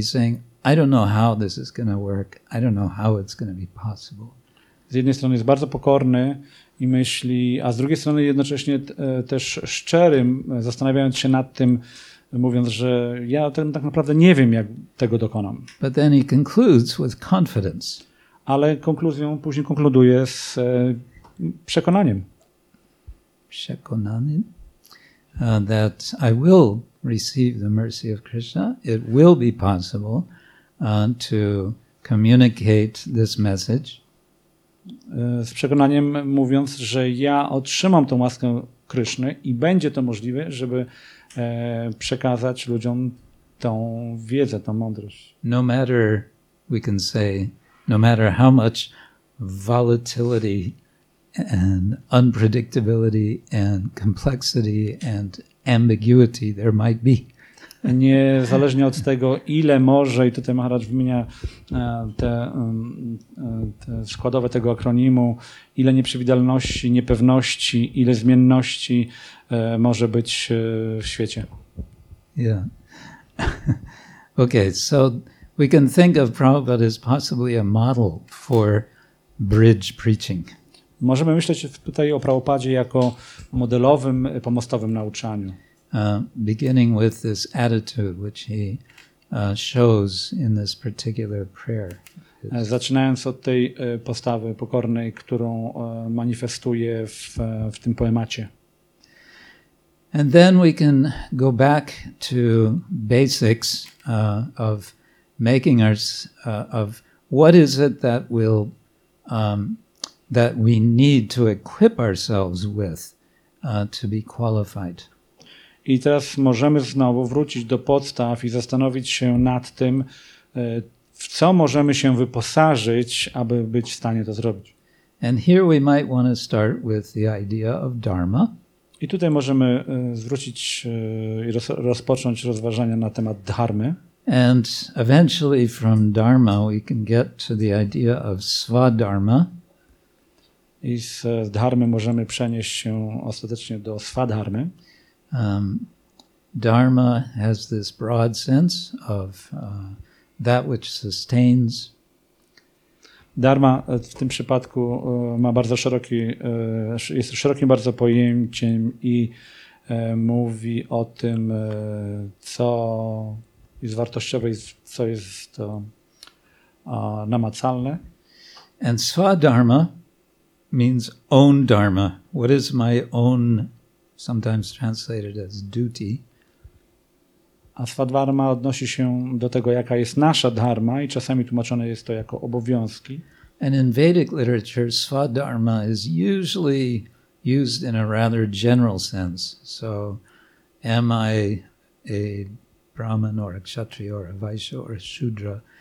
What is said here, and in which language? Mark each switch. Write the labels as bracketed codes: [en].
[en] He's saying, I don't know how this is going to work. I don't know how it's going to be possible. [pl] Z jednej strony jest bardzo pokorny i myśli, a z drugiej strony jednocześnie też szczerym, zastanawiając się nad tym, mówiąc, że ja tak naprawdę nie wiem, jak tego dokonam. [en] But then he concludes with confidence. [pl] Ale konkluzją później konkluduje z przekonaniem. Przekonanym? [en] That I will receive the mercy of Krishna. It will be possible to communicate this message. [pl] Z przekonaniem mówiąc, że ja otrzymam tą łaskę Kryszny i będzie to możliwe, żeby przekazać ludziom tą wiedzę, tą mądrość. [en] No matter, we can say, no matter how much volatility and unpredictability and complexity and ambiguity there might be. [pl] Niezależnie od tego, ile może, i tutaj Maharaj wymienia te składowe tego akronimu, ile nieprzewidywalności, niepewności, ile zmienności może być w świecie. [en] Yeah. Okay, so we can think of Prabhupada as possibly a model for bridge preaching. [pl] Możemy myśleć tutaj o Prabhupadzie jako modelowym, pomostowym nauczaniu. [en] Beginning with this attitude which he shows in this particular prayer. [pl] Zaczynając od tej postawy pokornej, którą manifestuje w tym poemacie. [en] And then we can go back to basics of making us of what is it that will that we need to equip ourselves with to be qualified. [pl] I teraz możemy znowu wrócić do podstaw i zastanowić się nad tym, w co możemy się wyposażyć, aby być w stanie to zrobić. [en] And here we might want to start with the idea of dharma. [pl] I tutaj możemy zwrócić i rozpocząć rozważania na temat dharmy. [en] And eventually from dharma we can get to the idea of svadharma. [pl] I z dharmy możemy przenieść się ostatecznie do svadharmy. [en] Dharma has this broad sense of that which sustains. [pl] Dharma w tym przypadku ma bardzo szeroki, jest szerokim bardzo pojęciem i mówi o tym, co jest wartościowe i co jest to namacalne. [en] And svadharma means own dharma. What is my own, sometimes translated as duty. [pl] A svadharma odnosi się do tego, jaka jest nasza dharma i czasami tłumaczone jest to jako obowiązki. [en] And in Vedic literature, svadharma is usually used in a rather general sense. So, am I a Brahman or a Kshatriya or a Vaishya or a Shudra?